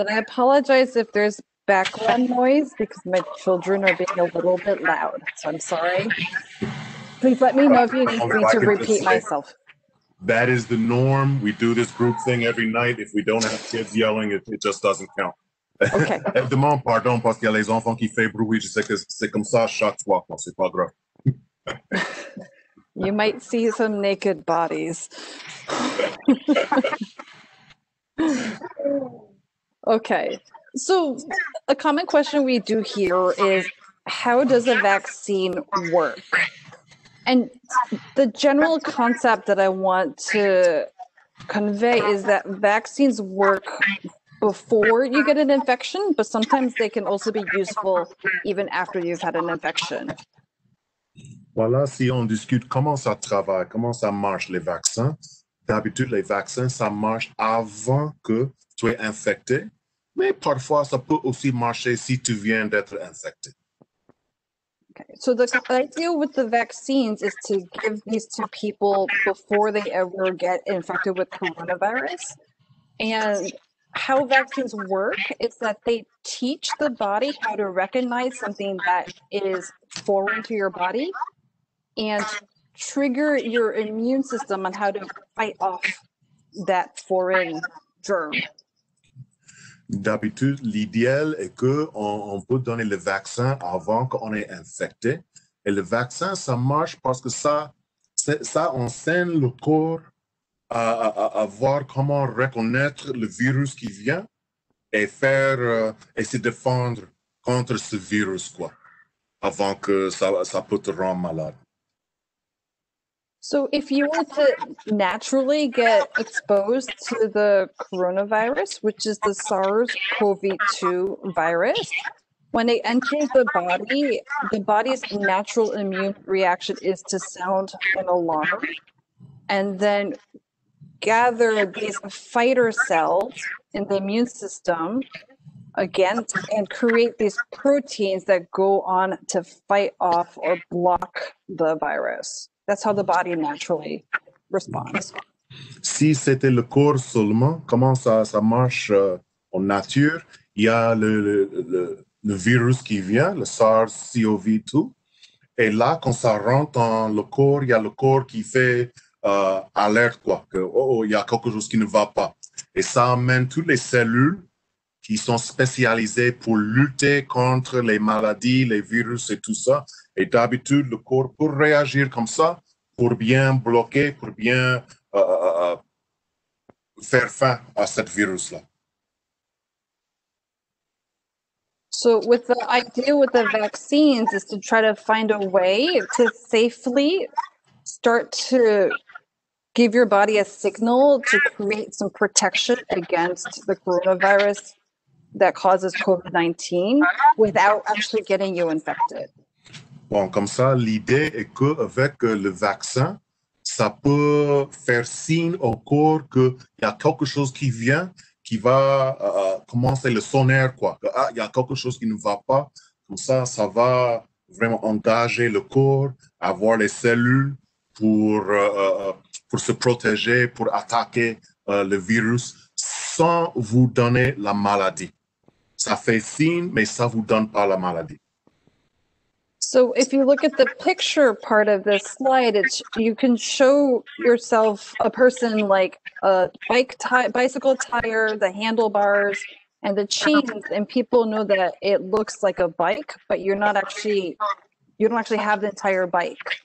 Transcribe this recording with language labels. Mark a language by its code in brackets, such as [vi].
[en] And I apologize if there's background noise because my children are being a little bit loud, so I'm sorry. Please let me know if you need me to repeat myself. That is the norm. We do this group thing every night. If we don't have kids yelling, it just doesn't count. Okay. [fr] Demain, pardon, parce qu'il y a les enfants qui font bruit. C'est comme ça chaque fois. Non, c'est pas grave. [en] You might see some naked bodies. Okay. So a common question we do hear is, how does a vaccine work? And the general concept that I want to convey is that vaccines work before you get an infection, but sometimes they can also be useful even after you've had an infection. [fr] Voilà, si on discute comment ça travaille, comment ça marche les vaccins, d'habitude les vaccins, ça marche avant que tu es infecté. Mais parfois, ça peut aussi marcher si tu viens d'être infecté. [en] Okay. So the idea with the vaccines is to give these to people before they ever get infected with coronavirus. And how vaccines work is that they teach the body how to recognize something that is foreign to your body and trigger your immune system on how to fight off that foreign germ. [fr] D'habitude, l'idéal est qu'on peut donner le vaccin avant qu'on ait infecté. Et le vaccin, ça marche parce que ça enseigne le corps à voir comment reconnaître le virus qui vient et faire et se défendre contre ce virus, quoi, avant que ça peut te rendre malade. [en] So if you were to naturally get exposed to the coronavirus, which is the SARS-CoV-2 virus, when it enters the body's natural immune reaction is to sound an alarm and then gather these fighter cells in the immune system against and create these proteins that go on to fight off or block the virus. That's how the body naturally responds. [fr] Si c'était le corps seulement, comment ça marche en nature? Il y a le virus qui vient, le SARS-CoV-2. Et là, quand ça rentre dans le corps, il y a le corps qui fait alerte, quoi, que oh, y a quelque chose qui ne va pas. Et ça amène toutes les cellules qui sont spécialisées pour lutter contre les maladies, les virus et tout ça. Et d'habitude, le corps, pour réagir comme ça, pour bien bloquer, pour bien faire fin à ce virus-là. [en] So with the idea with the vaccines is to try to find a way to safely start to give your body a signal to create some protection against the coronavirus that causes COVID-19 without actually getting you infected. [fr] Bon, comme ça, l'idée est que avec le vaccin, ça peut faire signe au corps que il y a quelque chose qui vient. Qui va commencer le sonner, quoi. Ah, il y a quelque chose qui ne va pas. Comme ça, ça va vraiment engager le corps, avoir les cellules pour se protéger, pour attaquer le virus sans vous donner la maladie. Ça fait signe, mais ça ne vous donne pas la maladie. [en] So, if you look at the picture part of this slide, it's, you can show yourself a person like a bicycle tire, the handlebars, and the chains, and people know that it looks like a bike, but you're not actually, you don't actually have the entire bike.